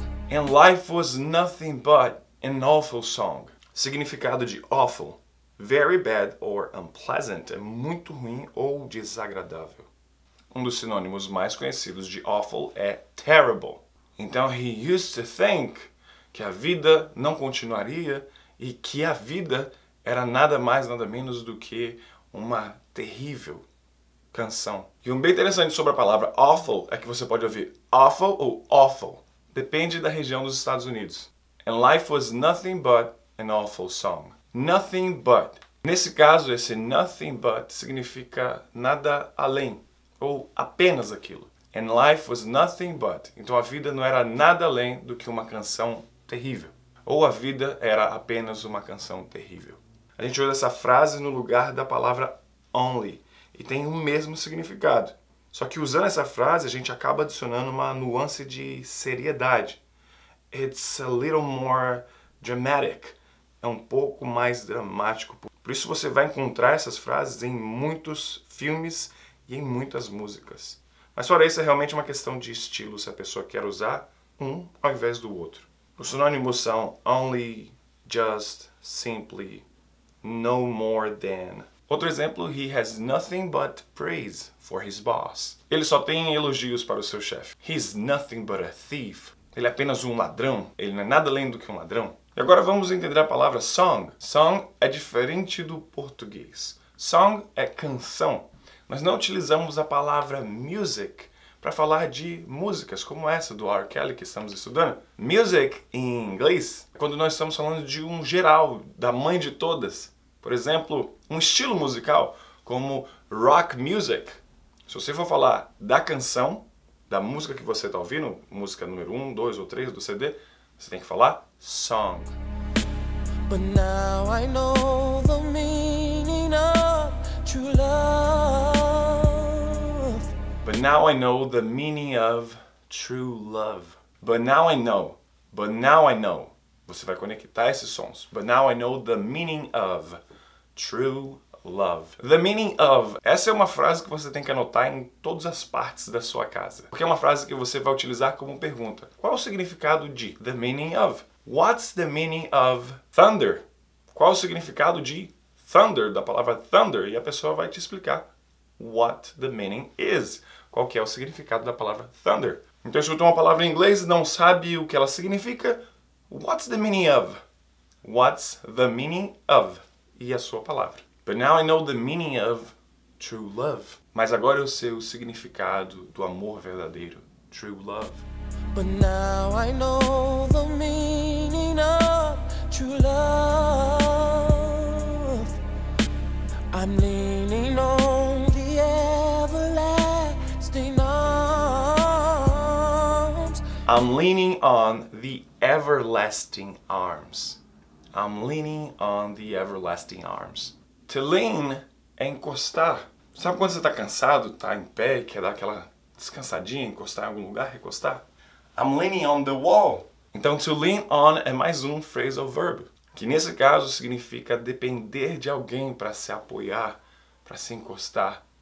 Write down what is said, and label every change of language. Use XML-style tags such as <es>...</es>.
<en>And life was nothing but an awful song.</en> <pt>Significado de awful.</pt> <en>Very bad or unpleasant.</en> <pt>É muito ruim ou desagradável. Um dos sinônimos mais conhecidos de awful é terrible. Então,</pt> <en>he used to think</en> <pt>que a vida não continuaria e que a vida era nada mais, nada menos do que uma terrível, canção. E um bem interessante sobre a palavra awful é que você pode ouvir awful ou awful. Depende da região dos Estados Unidos.</pt> <en>And life was nothing but an awful song. Nothing but.</en> <pt>Nesse caso, esse nothing but significa nada além ou apenas aquilo.</pt> <en>And life was nothing but.</en> <pt>Então a vida não era nada além do que uma canção terrível. Ou a vida era apenas uma canção terrível. A gente usa essa frase no lugar da palavra only e tem o mesmo significado. Só que usando essa frase, a gente acaba adicionando uma nuance de seriedade.</pt> <en>It's a little more dramatic.</en> <pt>É um pouco mais dramático. Por isso você vai encontrar essas frases em muitos filmes e em muitas músicas. Mas fora isso, é realmente uma questão de estilo, se a pessoa quer usar um ao invés do outro. Os sinônimos são only, just, simply, no more than. Outro exemplo,</pt> <en>he has nothing but praise for his boss.</en> <pt>Ele só tem elogios para o seu chefe.</pt> <en>He's nothing but a thief.</en> <pt>Ele é apenas um ladrão. Ele não é nada além do que um ladrão. E agora vamos entender a palavra song. Song é diferente do português. Song é canção. Nós não utilizamos a palavra music para falar de músicas como essa do R. Kelly que estamos estudando. Music, em inglês, é quando nós estamos falando de um geral, da mãe de todas. Por exemplo, um estilo musical como rock music. Se você for falar da canção, da música que você está ouvindo, música número 1, 2 ou 3 do CD, você tem que falar song.</pt> <en>But now I know the meaning of true love. But now I know the meaning of true love. But now I know. But now I know.</en> <pt>Você vai conectar esses sons.</pt> <en>But now I know the meaning of true love. The meaning of.</en> <pt>Essa é uma frase que você tem que anotar em todas as partes da sua casa. Porque é uma frase que você vai utilizar como pergunta. Qual o significado de the meaning of?</pt> <en>What's the meaning of thunder?</en> <pt>Qual o significado de thunder, da palavra thunder? E a pessoa vai te explicar</pt> <en>what the meaning is.</en> <pt>Qual que é o significado da palavra thunder? Então, escuta uma palavra em inglês e não sabe o que ela significa.</pt> <en>What's the meaning of? What's the meaning of?</en> <pt>E a sua palavra.</pt> <en>But now I know the meaning of true love.</en> <pt>Mas agora eu sei o significado do amor verdadeiro.</pt> <en>True love. But now I know the meaning of true love. I'm leaning on the everlasting arms. I'm leaning on the everlasting arms. I'm leaning on the everlasting arms.</en> <pt>To lean é encostar. Sabe quando você está cansado, está em pé e quer dar aquela descansadinha, encostar em algum lugar, recostar?</pt> <en>I'm leaning on the wall.</en> <pt>Então, to lean on é mais um phrasal verb, que nesse caso significa depender de alguém para se apoiar, para se encostar.</pt>